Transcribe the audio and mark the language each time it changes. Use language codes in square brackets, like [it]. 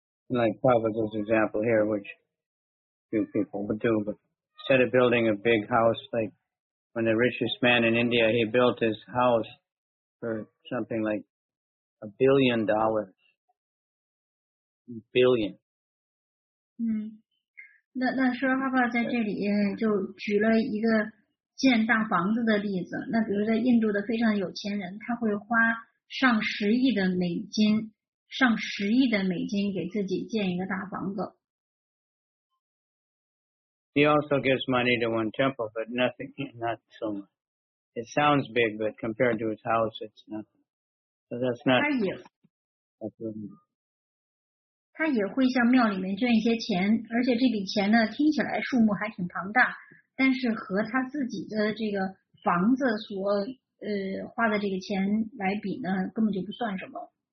[en] like Prabhupada's example here, which few people would do, but instead of building a big house, like when the richest man in India, he built his house for something like $1 billion. Billion. [zh] 那说爸爸在这里就举了一个建大房子的例子。那比如在印度的非常有钱人，他会花上十亿的美金，上十亿的美金给自己建一个大房子。 [en] He also gives money to one temple, but nothing, not so much. It sounds big, but compared to his house, it's nothing. So that's not. [zh] 他也会向庙里面捐一些钱，而且这笔钱呢，听起来数目还挺庞大，但是和他自己的这个房子所花的这个钱来比呢，根本就不算什么。